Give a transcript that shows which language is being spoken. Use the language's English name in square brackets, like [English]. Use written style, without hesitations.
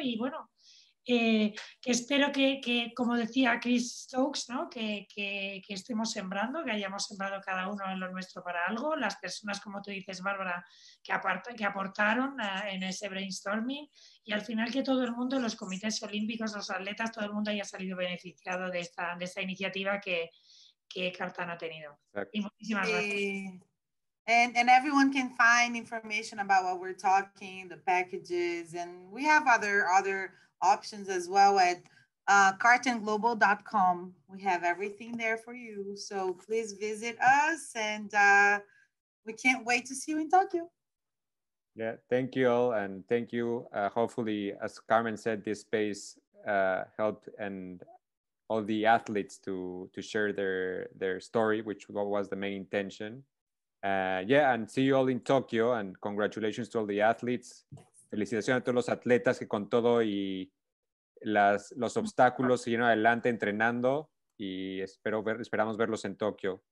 [Spanish] Y bueno, que espero que, como decía Chris Stokes, ¿no?, que estemos sembrando, que hayamos sembrado cada uno en lo nuestro para algo. Las personas, como tú dices, Bárbara, que aportaron en ese brainstorming. Y al final que todo el mundo, los comités olímpicos, los atletas, todo el mundo haya salido beneficiado de esta iniciativa que Kartan ha tenido. Exacto. Y muchísimas gracias. [English] And everyone can find information about what we're talking, the packages, and we have other options as well at kartanglobal.com. We have everything there for you. So please visit us, and we can't wait to see you in Tokyo. Yeah, thank you all, and thank you. Hopefully, as Carmen said, this space helped and all the athletes to share their story, which was the main intention. Yeah, and see you all in Tokyo, and congratulations to all the athletes. [Spanish] Felicitaciones a todos los atletas que con todo y los obstáculos siguieron adelante entrenando, y esperamos verlos en Tokio.